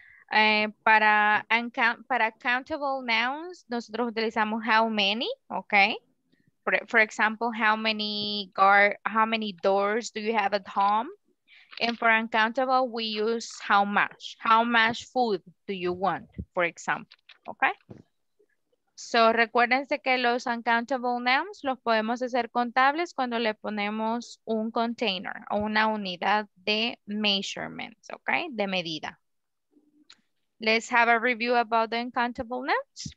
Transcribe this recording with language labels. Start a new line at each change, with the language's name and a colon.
Spanish: Para
English: countable nouns,
Spanish: nosotros utilizamos
English: how many, okay? For example, how many doors do you have at home? And for uncountable, we use how much. How much food do you want, for example, okay?
Spanish: So, recuérdense que los uncountable nouns los podemos hacer contables cuando le ponemos un container o una unidad de measurements, okay? De medida.
English: Let's have a review about the uncountable nouns.